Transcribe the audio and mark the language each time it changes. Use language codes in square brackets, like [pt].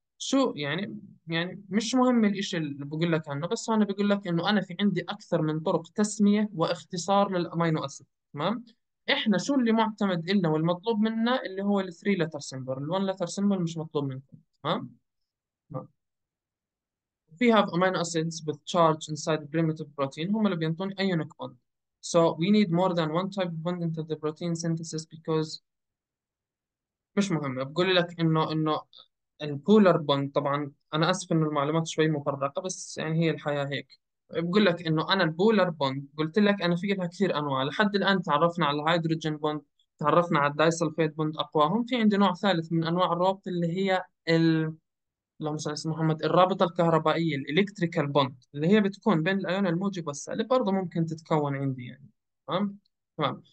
[ar] شو يعني مش مهم الاشي اللي بقول لك عنه، بس انا بقول لك انه انا في عندي اكثر من طرق تسميه واختصار للامينو اسيد. تمام. احنا شو اللي معتمد لنا والمطلوب منا اللي هو الثري لتر سيمبل، الون لتر سيمبل مش مطلوب منكم. تمام. [en] We have amino acids with charge inside the primitive protein. [ar] هم اللي بينطون [en] ionic bond. So we need more than one type of bond into the protein synthesis because [ar] مش مهمة. بقول لك انه البولر بوند، طبعا انا اسف انه المعلومات شوي مفرقة، بس يعني هي الحياة هيك. بقول لك انه انا البولر بوند قلت لك انا في لها كثير انواع. لحد الان تعرفنا على الهيدروجين بوند، تعرفنا على الدايسلفيد بوند اقواهم. في عندي نوع ثالث من انواع الروابط اللي هي اللهم صل على محمد، الرابطه الكهربائيه الالكتريكال بوند، اللي هي بتكون بين الايون الموجب والسالب، برضه ممكن تتكون عندي يعني. تمام. تمام.